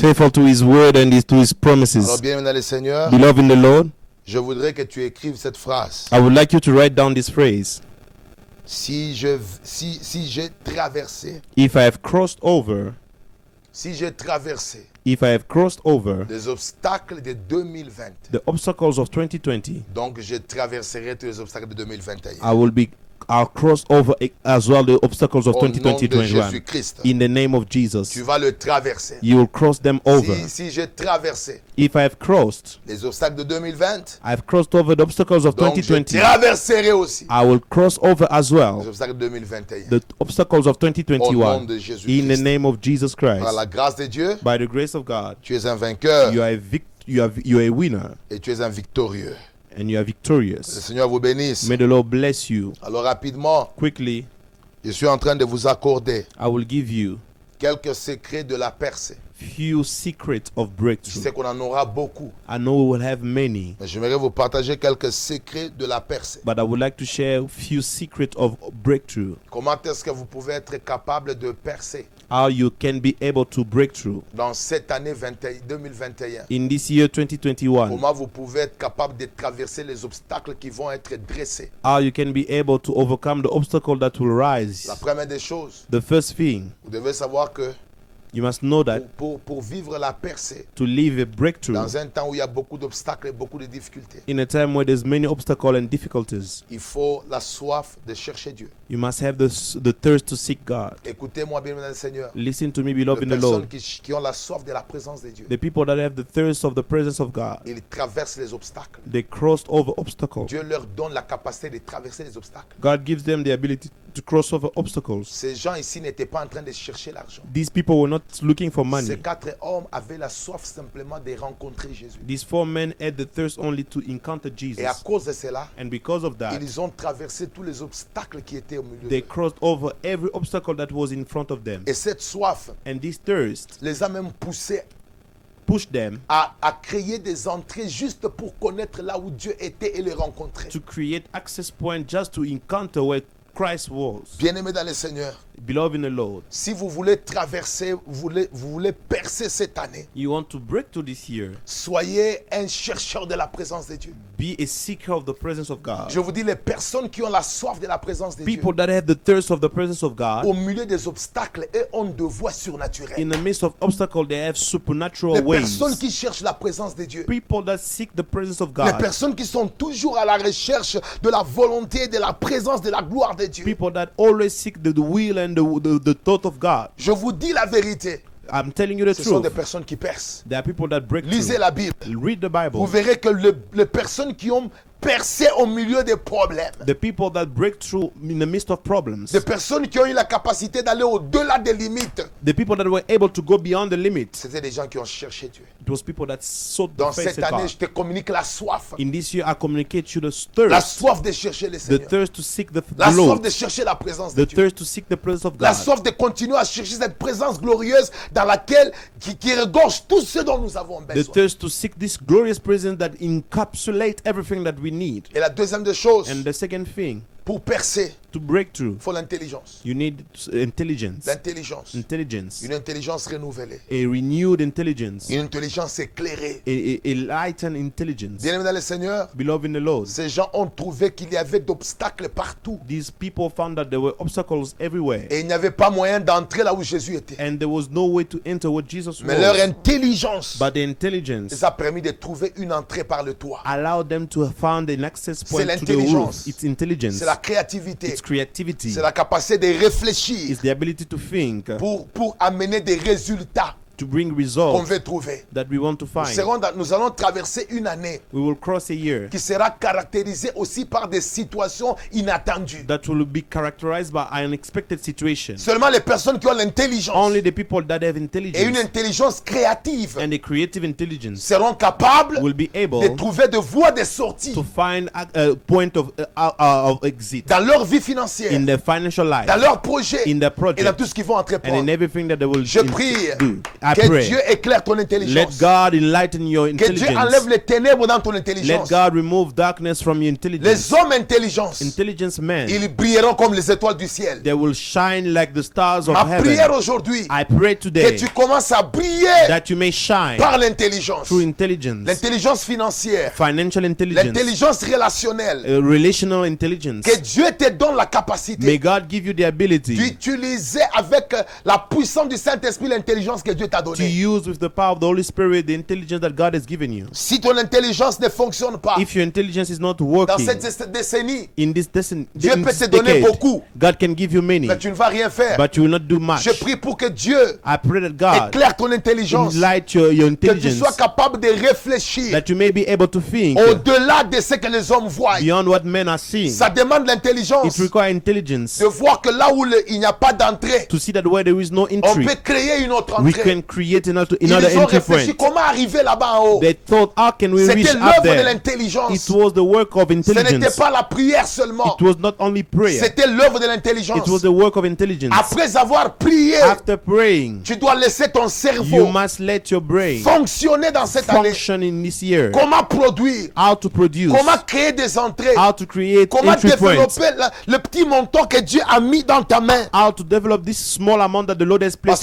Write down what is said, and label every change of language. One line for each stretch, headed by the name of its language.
English: Faithful to his word and to his promises.
French: Alors bienvenue dans le Seigneur.
English: Beloved in the Lord.
French: Je voudrais que tu écrives cette phrase.
English: I would like you to write down this phrase.
French: Si j'ai traversé.
English: If I have crossed over.
French: Si j'ai traversé.
English: If I have crossed over.
French: Les obstacles de 2020.
English: The obstacles of 2020.
French: Donc je traverserai tous les obstacles de 2021.
English: I'll cross over as well the obstacles of 2020.
French: Jésus Christ.
English: In the name of Jesus.
French: Tu vas le traverser.
English: You will cross them over.
French: Si j'ai traversé.
English: If I have crossed.
French: Les obstacles de 2020.
English: I've crossed over the obstacles of 2020.
French: Donc je traverserai aussi.
English: I will cross over as well.
French: Les obstacles de 2021.
English: The obstacles of 2021.
French: Au nom de Jésus Christ.
English: In the name of Jesus Christ.
French: Par la grâce de Dieu.
English: By the grace of God.
French: Tu es un vainqueur.
English: You are a winner.
French: Et tu es un victorieux.
English: And you are victorious.
French: Le Seigneur vous bénisse.
English: May the Lord bless you.
French: Alors rapidement.
English: Quickly.
French: Je suis en train de vous accorder.
English: I will give you.
French: Quelques secrets de la percée.
English: Few secrets of breakthrough.
French: Je sais qu'on en aura beaucoup.
English: I know we will have many.
French: Mais j'aimerais vous partager quelques secrets de la percée.
English: But I would like to share few secrets of breakthrough.
French: Comment est-ce que vous pouvez être capable de percer?
English: How you can be able to break through.
French: Dans cette année 2021.
English: In this year 2021.
French: Comment vous pouvez être capable de traverser les obstacles qui vont être dressés.
English: How you can be able to overcome the obstacle that will rise.
French: La première des choses.
English: The first thing.
French: Vous devez savoir que.
English: You must know that.
French: Pour vivre la percée.
English: To live a breakthrough.
French: Dans un temps où il y a beaucoup d'obstacles et beaucoup de difficultés.
English: In a time where there's many obstacles and difficulties.
French: Il faut la soif de chercher Dieu.
English: You must have the thirst to seek God.
French: Écoutez-moi bien, mon Seigneur.
English: Listen to me, beloved in the Lord.
French: Les personnes qui ont la soif de la présence de Dieu.
English: The people that have the thirst of the presence of God.
French: Ils traversent les obstacles.
English: They cross over obstacles.
French: Dieu leur donne la capacité de traverser les obstacles.
English: God gives them the ability to cross over obstacles.
French: Ces gens ici n'étaient pas en train de chercher l'argent.
English: These people were not looking for money.
French: Ces quatre hommes avaient la soif simplement de rencontrer Jésus.
English: These four men had the thirst only to encounter Jesus.
French: Et à cause de cela,
English: and because of that,
French: ils ont traversé tous les obstacles qui étaient.
English: They crossed over every obstacle that was in front of them.
French: Et cette soif,
English: and this thirst,
French: les a même poussé,
English: pushed them,
French: à créer des entrées juste pour connaître là où Dieu était et les rencontrer.
English: To create access points just to encounter where Christ was.
French: Bien-aimé dans le Seigneur.
English: Beloved in the Lord.
French: Si vous voulez traverser, vous voulez percer cette année.
English: You want to break through this year.
French: Soyez un chercheur de la présence de Dieu.
English: Be a seeker of the presence of God.
French: Je vous dis les personnes qui ont la soif de la présence de
English: People People that have the thirst of the presence of God.
French: Au milieu des obstacles et ont de voies surnaturelles.
English: In the midst of obstacles, they have supernatural
French: les
English: ways.
French: Les personnes qui cherchent la présence de Dieu.
English: People that seek the presence of God.
French: Les personnes qui sont toujours à la recherche de la volonté, de la présence, de la gloire de Dieu.
English: People that always seek the will and the thought of God.
French: Je vous dis la vérité.
English: I'm telling you the
French: Ce
English: truth.
French: Ce sont des personnes qui percent.
English: There are people that break
French: Lisez
English: through.
French: La Bible.
English: Read the Bible.
French: Vous verrez que les personnes qui ont percé au milieu des problèmes.
English: The people that break through in the midst of problems.
French: Des personnes qui ont eu la capacité d'aller au-delà des limites.
English: The people that were able to go beyond the limits.
French: C'était des gens qui ont cherché Dieu.
English: It was people that sought
French: Dans
English: the face
French: cette année, je te communique la soif.
English: In this year, I communicate to you the thirst.
French: La soif de chercher le Seigneur.
English: The thirst to seek the
French: la
English: Lord.
French: Soif de chercher la présence
English: the
French: de
English: thirst
French: Dieu.
English: To seek the presence of God.
French: La soif de continuer à chercher cette présence glorieuse dans laquelle qui regorge tout ce dont nous avons besoin.
English: The thirst to seek this glorious presence that encapsulates everything that we need.
French: Et la deuxième des choses.
English: And the second thing.
French: Pour percer.
English: To break through.
French: Faut l'intelligence.
English: You need intelligence.
French: L'intelligence.
English: Intelligence.
French: Une intelligence renouvelée.
English: A renewed intelligence.
French: Une intelligence éclairée.
English: A lightened intelligence.
French: Bien-aimé dans le Seigneur.
English: Beloved in the Lord.
French: Ces gens ont trouvé qu'il y avait d'obstacles partout.
English: These people found that there were obstacles everywhere.
French: Et il n'y avait pas moyen d'entrer là où Jésus était.
English: And there was no way to enter where Jesus
French: Mais
English: was.
French: Leur intelligence.
English: But the intelligence.
French: Les a permis de trouver une entrée par le toit.
English: Allowed them to find an access point
French: C'est
English: to the roof. It's intelligence.
French: C'est la créativité.
English: It's creativity.
French: C'est la capacité de réfléchir.
English: It's the ability to think.
French: Pour amener des résultats.
English: to bring results
French: qu'on veut trouver.
English: That we want to find.
French: Nous allons traverser une année
English: we will cross a year
French: qui sera caractérisée aussi par des situations inattendues.
English: That will be characterized by unexpected situations.
French: Seulement les personnes qui ont l'intelligence
English: only the people that have intelligence
French: et une intelligence créative
English: and a creative intelligence
French: seront capables
English: will be able
French: de trouver de voies de sortie
English: to find a point of exit
French: dans leur vie financière
English: in their financial life
French: dans leur projet
English: in their project
French: et dans tout ce qu'ils vont entreprendre
English: and in everything that they will
French: je prie
English: do. I
French: que
English: pray.
French: Dieu éclaire ton intelligence.
English: Let God enlighten your intelligence.
French: Que Dieu enlève les ténèbres dans ton intelligence.
English: Let God remove darkness from your intelligence.
French: Les hommes intelligents.
English: Intelligence men.
French: Ils brilleront comme les étoiles du ciel.
English: They will shine like the stars of
French: Ma
English: heaven.
French: Ma prière aujourd'hui.
English: I pray today.
French: Que tu commences à briller.
English: That you may shine.
French: Par l'intelligence.
English: Through intelligence.
French: L'intelligence financière.
English: Financial intelligence.
French: L'intelligence relationnelle.
English: Relational intelligence.
French: Que Dieu te donne la capacité.
English: May God give you the ability.
French: D'utiliser avec la puissance du Saint-Esprit l'intelligence que Dieu t'a donné.
English: To use with the power of the Holy Spirit the intelligence that God has given you.
French: Si ton intelligence ne fonctionne pas,
English: if your intelligence is not working,
French: dans cette décennie,
English: in this decennie,
French: Dieu
English: in
French: peut te donner beaucoup,
English: God can give you many,
French: mais tu ne vas rien faire.
English: But you will not do much.
French: Je prie pour que Dieu,
English: I pray that God,
French: éclaire ton intelligence,
English: enlighten your intelligence,
French: que tu sois capable de réfléchir,
English: that you may be able to think,
French: au-delà de ce que les hommes voient,
English: beyond what men are seeing.
French: Ça demande l'intelligence,
English: it requires intelligence,
French: de voir que là où il n'y a pas d'entrée,
English: to see that where there is no entry,
French: on peut créer une autre entrée.
English: We can create another entry point.
French: Comment arriver là-bas en haut?
English: They thought, how can we
French: C'était
English: reach
French: l'œuvre
English: up there?
French: De l'intelligence.
English: It was the work of intelligence.
French: Ce n'était pas la prière seulement.
English: It was not only prayer.
French: C'était l'œuvre de l'intelligence.
English: It was the work of intelligence.
French: Après avoir prié,
English: after praying,
French: tu dois laisser ton cerveau
English: you must let your brain
French: fonctionner dans cette
English: function
French: année.
English: In this year.
French: Comment produire?
English: How to produce?
French: Comment créer des entrées?
English: How to create
French: comment
English: entry
French: développer
English: points?
French: Le petit montant que Dieu a mis dans ta main?
English: How to develop this small amount that the Lord has placed